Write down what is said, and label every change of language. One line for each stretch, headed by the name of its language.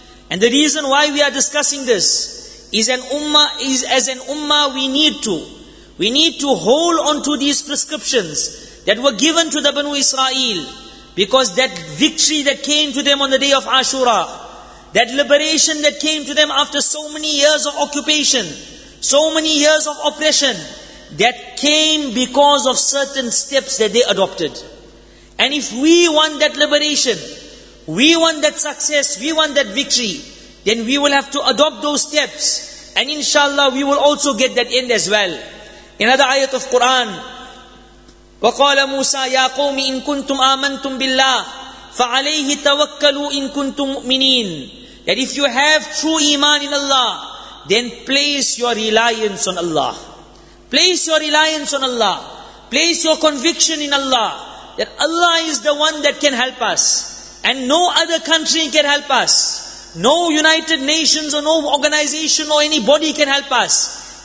English: And the reason why we are discussing this is as an ummah we need to hold on to these prescriptions that were given to the Banu Israel, because that victory that came to them on the day of Ashura, that liberation that came to them after so many years of occupation, so many years of oppression, that came because of certain steps that they adopted. And if we want that liberation, we want that success, we want that victory, then we will have to adopt those steps. And inshallah, we will also get that end as well. In another ayat of Quran,
Arabic: وَقَالَ مُوسَى يَا قَوْمِ إِن كُنْتُمْ آمَنْتُمْ بِاللَّهِ فَعَلَيْهِ تَوَكَّلُوا إِن كُنْتُمْ مُؤْمِنِينَ.
English: That if you have true iman in Allah, then place your reliance on Allah. Place your reliance on Allah. Place your conviction in Allah. That Allah is the one that can help us. And no other country can help us. No United Nations or no organization or anybody can help us.